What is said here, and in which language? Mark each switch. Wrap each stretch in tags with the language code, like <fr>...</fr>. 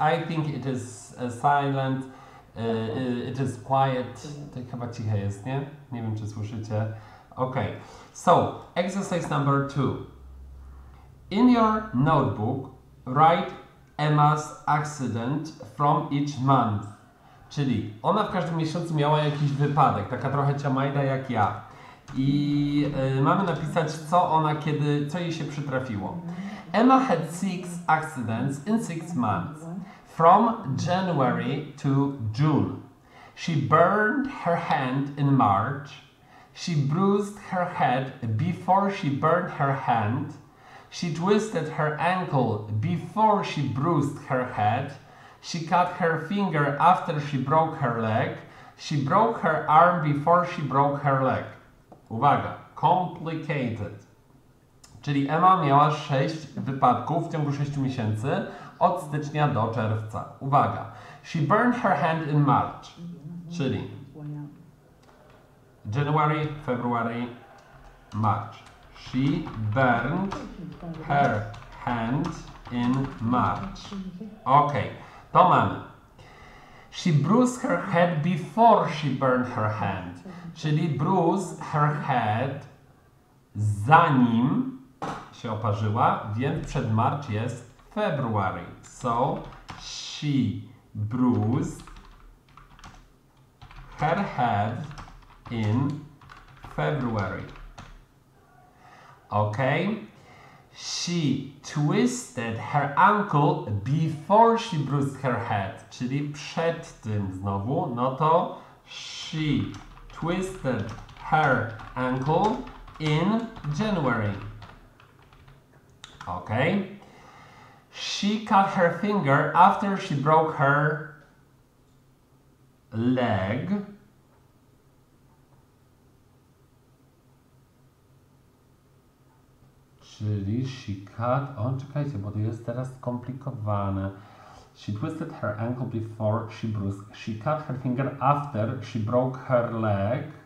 <en>I think it is silent. It is quiet.</en> <pl>Chyba ciche jest, nie? Nie wiem, czy słyszycie. Okay.</pl> <en>So, exercise number 2. In your notebook, write Emma's accident from each month.</en> <pl>Czyli ona w każdym miesiącu miała jakiś wypadek, taka trochę ciamajda jak ja. I mamy napisać, co ona kiedy, co jej się przytrafiło.</pl> <en>Emma had 6 accidents in 6 months. From January to June. She burned her hand in March. She bruised her head before she burned her hand. She twisted her ankle before she bruised her head. She cut her finger after she broke her leg. She broke her arm before she broke her leg.</en> <pl>Uwaga,</pl> <en>complicated.</en> <pl>Czyli Emma miała 6 wypadków w ciągu 6 miesięcy od stycznia do czerwca. Uwaga,</pl> <en>she burned her hand in March.</en> <pl>Czyli</pl> <en>January, February, March. She burned her hand in March. Ok,</en> <pl>to mamy.</pl> <en>She bruised her head before she burned her hand.</en> <pl>Czyli</pl> <en>bruise her head</en> <pl>zanim się oparzyła, więc przed March jest February.</pl> <en>So she bruised her head in February. Ok. She twisted her ankle before she bruised her head.</en> <pl>Czyli przed tym znowu. No to</pl> <en>she twisted her ankle in January. Ok. She cut her finger after she broke her leg.</en> <pl>Czyli</pl> <en>she cut...</en> <pl>O, czekajcie, bo to jest teraz skomplikowane.</pl> <en>She twisted her ankle before she bruised. She cut her finger after she broke her leg.</en>